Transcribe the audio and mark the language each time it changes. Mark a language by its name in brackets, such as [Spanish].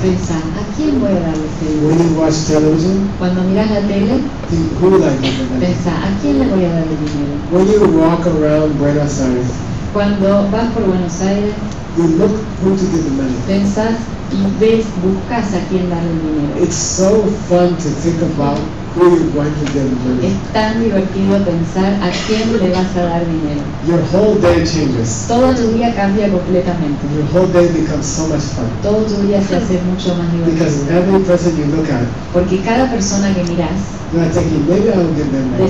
[Spanish] Pensa, ¿a quién voy a darle este dinero? [English] When you watch television, [Spanish] cuando miras la tele, [English] think, who will I give the money? [Spanish] Pensa, ¿a quién le voy a dar el dinero? [English] When you walk around Buenos Aires, [Spanish] cuando vas por Buenos Aires, [English] you look who to give the money. [Spanish] Pensas y ves, buscas a quién darle el dinero. [English] It's so fun to think about who you're going to give the money. [Spanish] Es tan divertido pensar a quién le vas a dar dinero. [English] Your whole day changes. [Spanish] Todo tu día cambia completamente. [English] Your whole day becomes so much fun. [Spanish] Todo tu día se hace mucho más divertido. [English] Because every person you look at, [Spanish] porque cada persona que miras, [English] you're thinking, maybe I'll give them money.